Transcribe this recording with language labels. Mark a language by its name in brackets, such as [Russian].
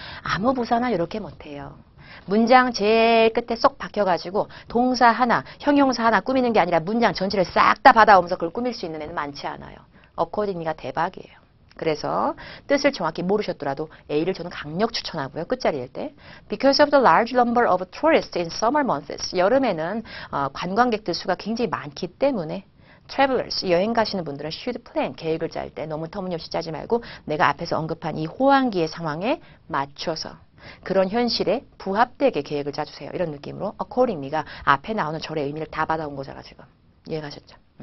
[Korean] 아무 부사나 이렇게 못해요. 문장 제일 끝에 쏙 박혀가지고 동사 하나, 형용사 하나 꾸미는 게 아니라 문장 전체를 싹다 받아오면서 그걸 꾸밀 수 있는 애는 많지 않아요. 어코디니가 대박이에요. 그래서 뜻을 정확히 모르셨더라도 A를 저는 강력 추천하고요. 끝자리일 때. [English] Because of the large number of tourists in summer months. [Korean] 여름에는 관광객들 수가 굉장히 많기 때문에 Travelers, 여행 가시는 분들은 [English] should plan, [Korean] 계획을 짤 때, 너무 터무니없이 짜지 말고, 내가 앞에서 언급한 이 호황기의 상황에 맞춰서, 그런 현실에 부합되게 계획을 짜주세요. 이런 느낌으로, accordingly가 앞에 나오는 절의 의미를 다 받아온 거잖아, 지금. 이해가셨죠?